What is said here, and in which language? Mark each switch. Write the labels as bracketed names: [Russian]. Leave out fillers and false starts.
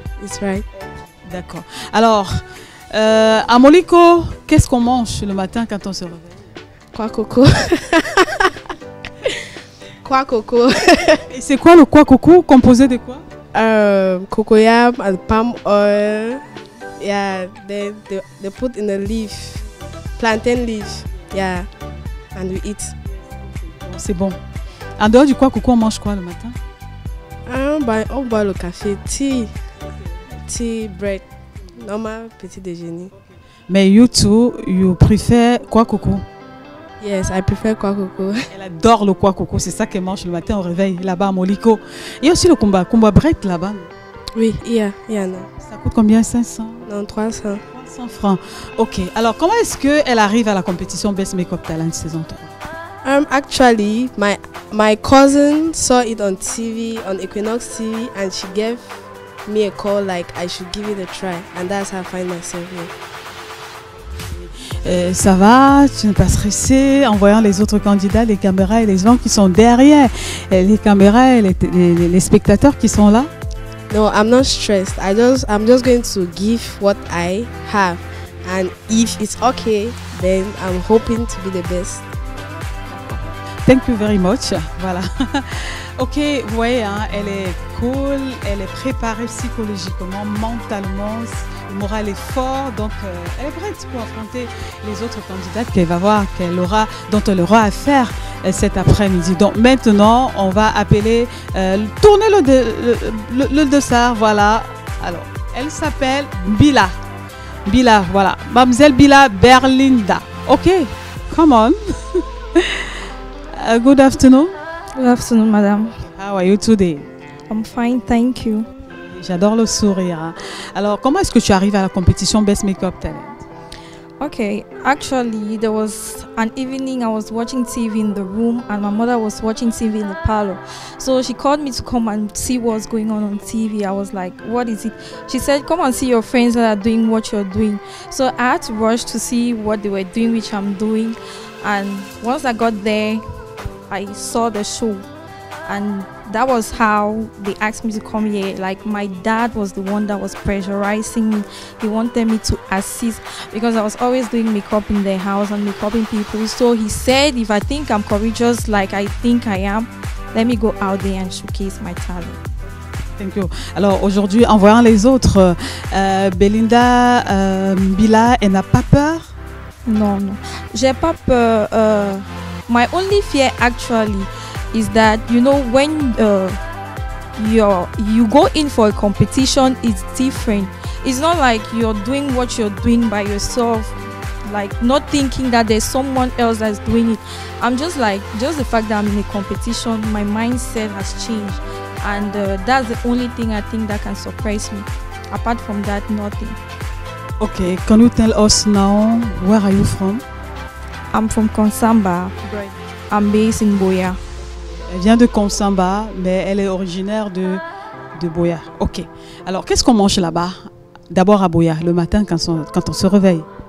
[English] It's right. [French] D'accord. Alors, à Moliko, qu'est-ce qu'on mange le matin quand on se réveille? Quoi coco? Quoi coco? Et c'est quoi le quoi coco composé de quoi? [English] Cocoyam and palm oil. Yeah, they put in a leaf, plantain leaf. Yeah, and we eat. [French] C'est bon. En dehors du quoi coco, on mange quoi le matin? On boit le café, [English] tea, bread, [French] normal petit déjeuner. [English] Mais you two, you prefer quoi coco? Yes, I prefer quoi coco. [French] Elle adore le quoi coco, c'est ça qu'elle mange le matin au réveil, là-bas à Moliko. Il y a aussi le kumba bread là-bas. Oui, il y en a. Ça coûte combien, 500? Non, 300. 300 francs, ok. Alors, comment est-ce qu'elle arrive à la compétition Best Makeup Talent saison 3? [English] Actually, my cousin saw it on TV, on Equinox TV, and she gave me a call like I should give it a try. And that's how I find myself here. [French] Ça va, tu n'es pas stressée en voyant les autres candidats, les caméras et les gens qui sont derrière, les caméras et les spectateurs qui sont là? [English] No, I'm not stressed. I'm just going to give what I have, and if it's okay, then I'm hoping to be the best. Thank you very much. Voilà. [French] Ok, vous voyez, hein, elle est cool, elle est préparée psychologiquement, mentalement. Le moral est fort, donc elle est prête pour affronter les autres candidates qu'elle va voir, dont elle aura affaire cet après-midi. Donc maintenant, on va appeler, tourner le dessert, voilà. Alors, elle s'appelle Mbila, voilà. Mademoiselle Mbila Berlinda. Ok, [English] Come on. Good afternoon. Good afternoon, madame. How are you today? I'm fine, thank you. [French] J'adore le sourire. Alors, comment est-ce que tu arrives à la compétition Best Makeup Talent? [English] Okay, actually, there was an evening I was watching TV in the room and my mother was watching TV in the parlor. So she called me to come and see what's going on TV. I was like, what is it? She said, come and see your friends that are doing what you're doing. So I had to rush to see what they were doing, which I'm doing. And once I got there, I saw the show. And that was how they asked me to come here. Like, my dad was the one that was pressurizing me. He wanted me to assist because I was always doing makeup in their house and makeuping people. So he said, if I think I'm courageous like I think I am, let me go out there and showcase my talent. Thank you. [French] Alors aujourd'hui, en voyant les autres, Belinda Mbila, elle n'a pas peur? Non, non. J'ai pas peur. [English] My only fear actually is that, you know, when you go in for a competition, it's different. It's not like you're doing what you're doing by yourself, like not thinking that there's someone else that's doing it. I'm just like, just the fact that I'm in a competition, my mindset has changed. And that's the only thing I think that can surprise me. Apart from that, nothing. Okay, can you tell us now, where are you from? I'm from Consamba. Right. I'm based in Boya. [French] Elle vient de Consamba, mais elle est originaire de Boya. Ok. Alors, qu'est-ce qu'on mange là-bas? D'abord à Boya, le matin, quand on se réveille.